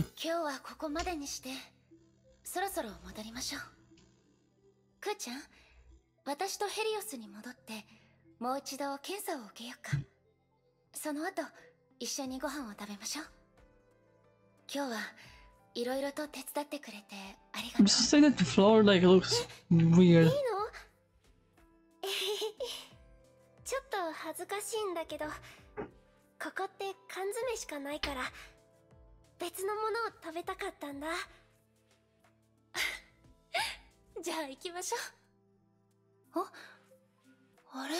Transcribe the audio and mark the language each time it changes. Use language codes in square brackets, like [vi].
[ja] 今日はここまでにして、そろそろ戻りましょう。クーちゃん、私とヘリオスに戻って、もう一度検査を受けようか。その後、一緒にご飯を食べましょう。今日は、いろいろと手伝ってくれてありがとう。 [en] I'm just saying that the floor like looks weird. [ja] いいの？ちょっと恥ずかしいんだけど、ここって缶詰しかないから別のものを食べたかったんだ。じゃあ行きましょう。あ、あれは？